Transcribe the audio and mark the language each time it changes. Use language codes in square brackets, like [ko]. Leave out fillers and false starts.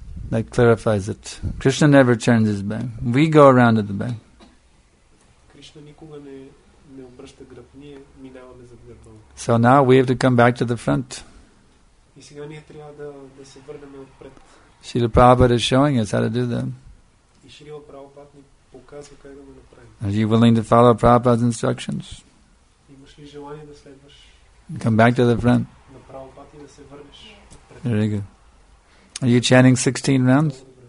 [en] That clarifies it. Krishna never turns his back. We go around at the back. [bg] Krishna никога не обръща гръб. Ние минаваме зад гърба. [en] So now we have to come back to the front. [bg] И сега ние трябва да се върнем отпред. [en] Srila Prabhupada is showing us how to do that. [bg] И Srila Prabhupada ни показва как да го направим. [en] Are you willing to follow Prabhupada's instructions? [bg] Имаш ли желание да следваш? [en] Come back to the front. [bg] На Prabhupada и да се върнеш отпред. [en] Very good. Are you chanting 16 rounds?